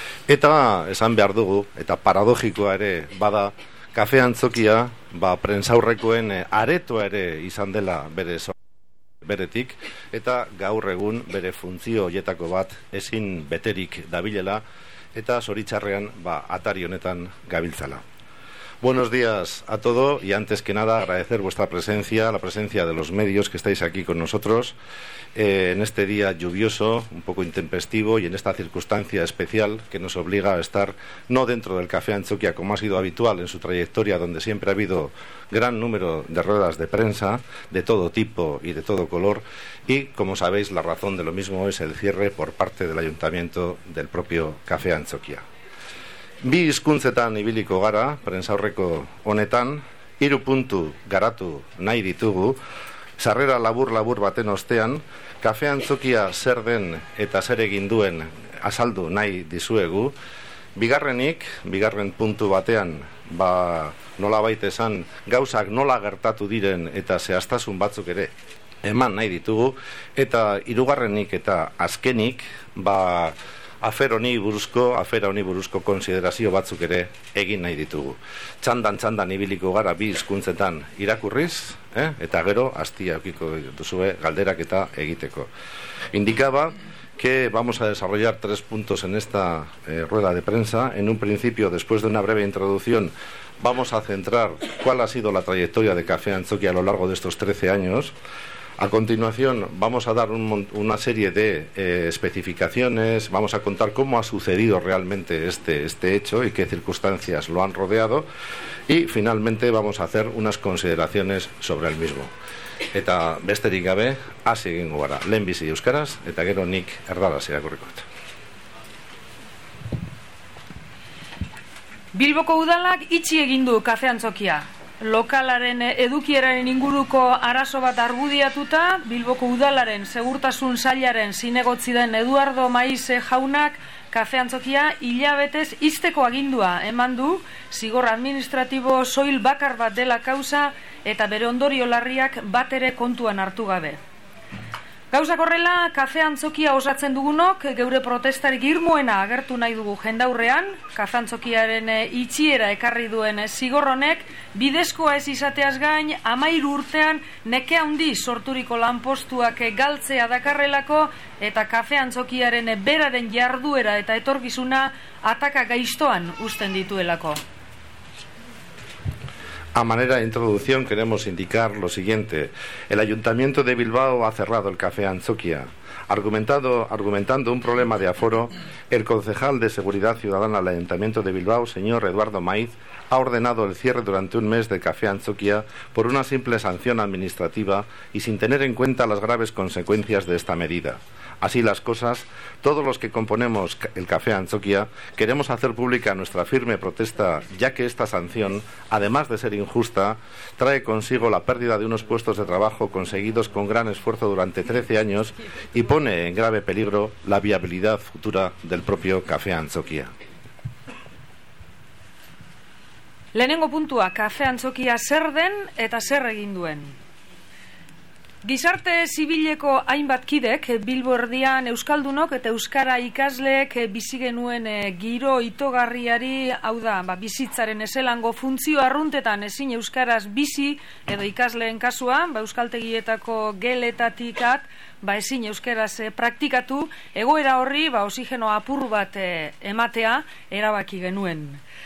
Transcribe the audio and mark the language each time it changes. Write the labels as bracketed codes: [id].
[eu] Eta esan behar dugu, eta paradojikoa ere bada, kafean txokia, ba, prentzaurrekoen aretoa ere izan dela bere beretik, eta gaur egun bere funtzio horietako bat ezin beterik dabilela, eta zoritxarrean, ba, atari honetan gabiltzala. [es] Buenos días a todo y antes que nada agradecer vuestra presencia, la presencia de los medios que estáis aquí con nosotros en este día lluvioso, un poco intempestivo y en esta circunstancia especial que nos obliga a estar no dentro del Café Antzokia como ha sido habitual en su trayectoria, donde siempre ha habido gran número de ruedas de prensa de todo tipo y de todo color, y como sabéis la razón de lo mismo es el cierre por parte del ayuntamiento del propio Café Antzokia. [eu] Bi hizkuntzetan ibiliko gara, prentzaurreko honetan, hiru puntu garatu nahi ditugu, sarrera labur-labur baten ostean, Café Antzokia zer den eta zer egin duen azaldu nahi dizuegu. Bigarren puntu batean, ba, nolabait esan, gauzak nola gertatu diren eta zehaztasun batzuk ere eman nahi ditugu. Eta hirugarrenik eta azkenik, ba, afera honi buruzko konsiderazio batzuk ere egin nahi ditugu. Txandan ibiliko gara bi hizkuntzetan irakurriz, eta gero astia edukiko duzue galderak eta egiteko. [es] Indicaba que vamos a desarrollar tres puntos en esta rueda de prensa. En un principio, después de una breve introducción, vamos a centrar cuál ha sido la trayectoria de Café Antzokia a lo largo de estos 13 años. A continuación vamos a dar una serie de especificaciones, vamos a contar cómo ha sucedido realmente este hecho y qué circunstancias lo han rodeado, y finalmente vamos a hacer unas consideraciones sobre el mismo. [eu] Eta besterik gabe, hasi egingo gara. Lehenbizi euskaraz eta gero nik erdaraz irakurriko dut. Bilboko udalak itxi egin du Café Antzokia. Lokalaren edukieraren inguruko arazo bat argudiatuta, Bilboko udalaren segurtasun sailaren zinegotzi den Eduardo Maize jaunak Café Antzokia hilabetez izteko agindua eman du, zigor administratibo soil bakar bat dela kausa eta bere ondorio larriak bat ere kontuan hartu gabe. Gauzak horrela, Café Antzokia osatzen dugunok, geure protestarik irmoena agertu nahi dugu jendaurrean. Café Antzokiaren itxiera ekarri duen zigorronek, bidezkoa ez izateaz gain, 13 urtean neke handi sorturiko lanpostuak galtzea dakarrelako, eta Café Antzokiaren beraren jarduera eta etorkizuna ataka gaiztoan uzten dituelako. [es] A manera de introducción queremos indicar lo siguiente. El Ayuntamiento de Bilbao ha cerrado el Café Antzokia. Argumentando un problema de aforo, el concejal de Seguridad Ciudadana del Ayuntamiento de Bilbao, señor Eduardo Maiz, ha ordenado el cierre durante un mes del Café Antzokia por una simple sanción administrativa y sin tener en cuenta las graves consecuencias de esta medida. Así las cosas, todos los que componemos el Café Antzokia queremos hacer pública nuestra firme protesta, ya que esta sanción, además de ser injusta, trae consigo la pérdida de unos puestos de trabajo conseguidos con gran esfuerzo durante 13 años y pone en grave peligro la viabilidad futura del propio Café Antzokia. [eu] Lehenengo puntua, Café Antzokia zer den eta zer egin duen. Gizarte zibileko hainbat kidek, Bilbo erdian euskaldunok eta euskara ikasleek bizi genuen giro itogarriari, hau da, ba, bizitzaren eselango funtzio arruntetan ezin euskaraz bizi, edo ikasleen kasua, ba, euskaltegietako geletatikat, ba, ezin euskaraz praktikatu, egoera horri, ba, oxigeno apur bat ematea erabaki genuen.